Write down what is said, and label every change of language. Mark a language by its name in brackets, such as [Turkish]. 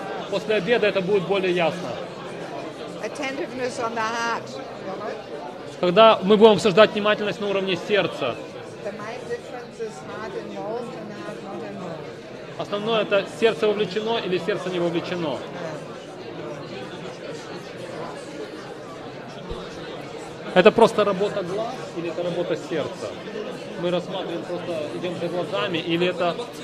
[Russian] После обеда это будет более ясно. [English] Attentiveness on the heart. [Russian] Когда мы будем обсуждать внимательность на уровне сердца. [English] The main difference is heart involved and heart not involved. [Russian] Основное это сердце вовлечено или сердце не вовлечено. Это просто работа глаз или это работа сердца? Мы рассматриваем просто, идем за глазами или это...